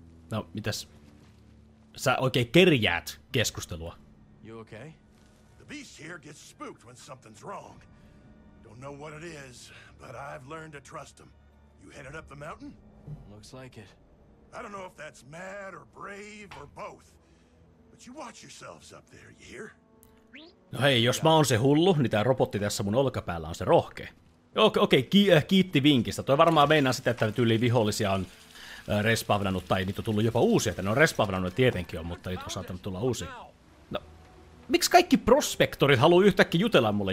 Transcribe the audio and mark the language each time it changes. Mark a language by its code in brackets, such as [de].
[fi] No, mitäs? Sä oikein kerjäät keskustelua. [en] You okay? The beast here gets spooked when something's wrong. Don't know what it is, but I've learned to trust him. You headed up the mountain? Looks like it. I don't know if that's mad or brave or both. But you watch yourselves up there, you hear? [fi] No hei, jos mä oon se hullu, niin tää robotti tässä mun olkapäällä on se rohkee. Okei, kiitti vinkistä. Toi varmaan meinaa sitä, että tyyli vihollisia on respawnannut, tai niitä on tullut jopa uusia, että ne on respawnannut, tietenkin on, mutta niitä on saattanut tulla uusi. No, miksi kaikki prospektorit haluaa yhtäkkiä jutella mulle?